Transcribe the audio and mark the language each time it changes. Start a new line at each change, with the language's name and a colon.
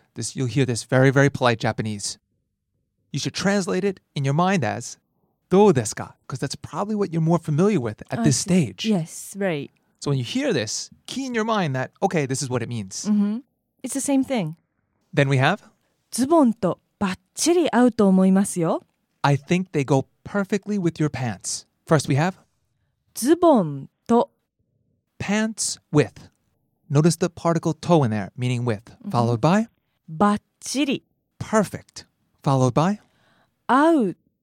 English: This, you'll hear this very, very polite Japanese. You should translate it in your mind as,
Japanese: どうですか?
English: Because that's probably what you're more familiar with at this stage. Yes, right. So when you hear this, key in your mind that, okay, this is what it means. It's the same thing. Then we have?
Japanese: ズボンとバッチリ合うと思いますよ。
English: I think they go perfectly with your pants. First we have?
Japanese: ズボンと。
English: Pants with. Notice the particle to in there, meaning with. Followed by?
Japanese: バッチリ。
English: Perfect. Followed by?
Japanese: 合う。